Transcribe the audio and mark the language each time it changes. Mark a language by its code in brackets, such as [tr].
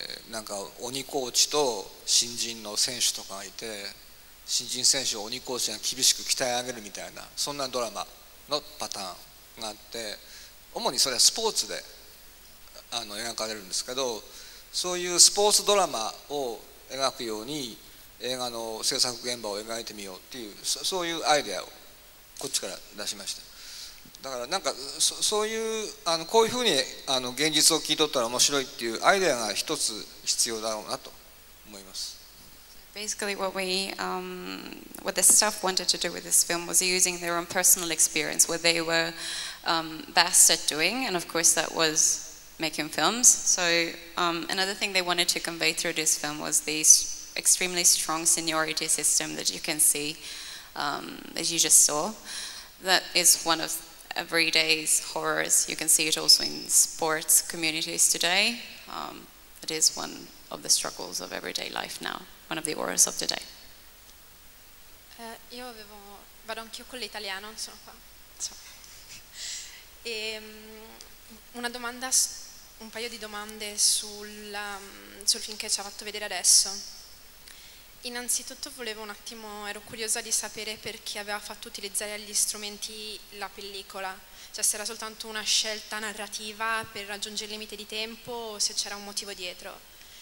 [ja] なんか鬼コーチと新人の選手とかがいて、新人選手を鬼コーチが厳しく鍛え上げるみたいな、そんなドラマのパターンがあって、主にそれはスポーツで描かれるんですけど、そういうスポーツドラマを描くように映画の制作現場を描いてみようっていう、そういうアイデアをこっちから出しました。だからなんか そういうこういうふうに現実を聞いとったら面白いっていうアイデアが一つ必要だろうなと思います。 [en] Basically what we what the staff wanted to do with this film was using their own personal experience, what they were best at doing, and of course that was making films. So another thing they wanted to convey through this film was the extremely strong seniority system that you can see, as you just saw, that is one of everyday's horrors. You can see it also in sports communities today. It is one of the struggles of everyday life now, one of the horrors of today. [it] Io avevo, vado anch'io con l'italiano, sono qua. So. E, una domanda, un paio di domande sul film che ci ha fatto vedere adesso. Innanzitutto volevo un attimo, ero curiosa di sapere perché aveva fatto utilizzare gli strumenti la pellicola, cioè se era soltanto una scelta narrativa per raggiungere il limite di tempo o se c'era un motivo dietro.